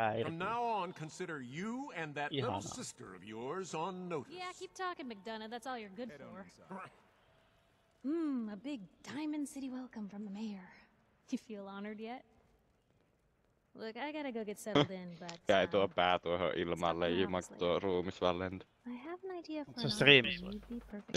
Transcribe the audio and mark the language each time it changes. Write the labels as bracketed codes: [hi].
[en] From now on, consider you and that little sister of yours on notice. Yeah, keep talking, McDonough. That's all you're good for. a big Diamond City welcome from the mayor. You feel honored yet? Look, I gotta go get settled in, but... [fi] Jäi tuo pää tuohon ilmaan leijimaan, kun tuo ruumis vaan lentää. [en] I have an idea for an arm, and you'd be perfect